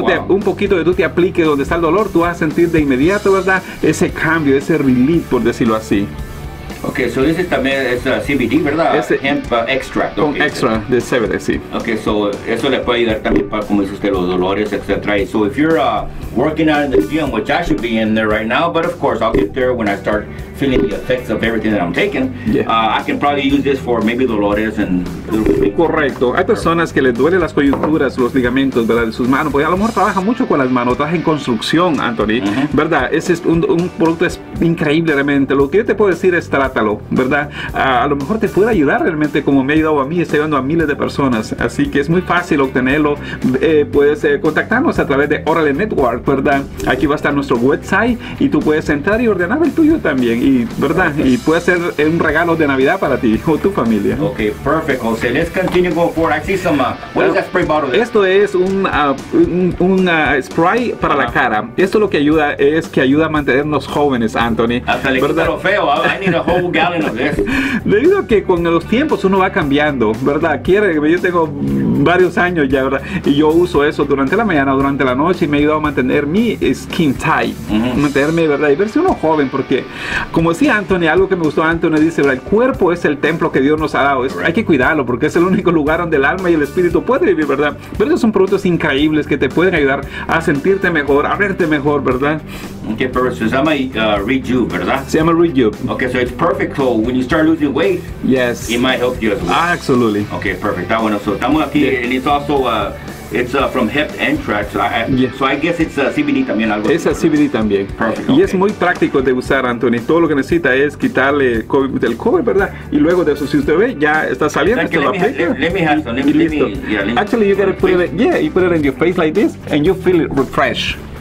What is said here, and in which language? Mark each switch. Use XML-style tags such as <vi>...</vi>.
<es>wow. un poquito que tú te apliques donde está el dolor, tú vas a sentir de inmediato. ¿Verdad? Ese cambio, ese relief, por decirlo así.</es> <en>Ok, so this is</en> <es>también es CBD, ¿verdad? Ese,</es> <en>hemp extract.</en> <es>Con okay, extra de CBD, sí. Ok, so eso le puede ayudar también para, como dice usted, los dolores, etc.</es> <en>So if you're working out in the gym, which I should be in there right now, but of course I'll get there when I start feeling the effects of everything that I'm taking, yeah. I can probably use this for maybe dolores and...</en> <es>Correcto. Hay personas que les duele las coyunturas, los ligamentos, ¿verdad? De sus manos. Porque a lo mejor trabaja mucho con las manos. Trabaja en construcción, Anthony. Uh-huh. ¿Verdad? Ese es un producto es increíble realmente. Lo que yo te puedo decir es trátalo, ¿verdad? A lo mejor te puede ayudar realmente como me ha ayudado a mí. Está ayudando a miles de personas. Así que es muy fácil obtenerlo. Puedes contactarnos a través de Orale Network, ¿verdad? Aquí va a estar nuestro website. Y tú puedes entrar y ordenar el tuyo también. Y, ¿verdad?</es> <en>Perfect.</en> <es>Y puede ser un regalo de Navidad para ti o tu familia. Ok, perfecto.</es> <en>So let's continue going forward. I see some, what is that spray bottle?</en> <es>There? Esto es un spray para la cara. Esto lo que ayuda es que ayuda a mantenernos jóvenes, Anthony. Hasta le quita lo feo.</es> <en>I need a whole gallon of this.</en> <es>Debido a que con los tiempos uno va cambiando, ¿verdad? Quiere, yo tengo varios años ya, ¿verdad? Y yo uso eso durante la mañana, durante la noche, y me ha ayudado a mantener mi</es> <en>skin tight.</en> <es>Uh-huh. Mantenerme, ¿verdad? Y verse uno joven, porque como decía Anthony, algo que me gustó, Anthony dice, ¿verdad? El cuerpo es el templo que Dios nos ha dado. Es,</es> <en>right.</en> <es>Hay que cuidarlo, porque es el único lugar donde el alma y el espíritu puede vivir, ¿verdad? Pero esos son productos increíbles que te pueden ayudar a sentirte mejor, a verte mejor, ¿verdad? Ok, pero se llama Rejuve, ¿verdad? Se llama Rejuve.</es> <en>Ok, so it's perfect, so when you start losing weight, yes. It might help you as well. Ah, absolutely. Ok, perfect.</en> <es>Ah, bueno,</es> <en>so</en> <es>estamos aquí,</es> <en>yeah. And it's also, it's from hemp and tracks. So I guess it's CBD</en> <es>también. Algo es así, CBD también.</es> <en>Perfect.</en> <es>Y</es> <en>okay.</en> <es>Es muy práctico de usar, Anthony. Todo lo que necesita es quitarle el cover, ¿verdad? Y luego de eso, si usted ve, ya está saliendo.</es> <en>Let me have some. Actually, you gotta put it, yeah, you put it in your face like this, and you feel it refresh.</en>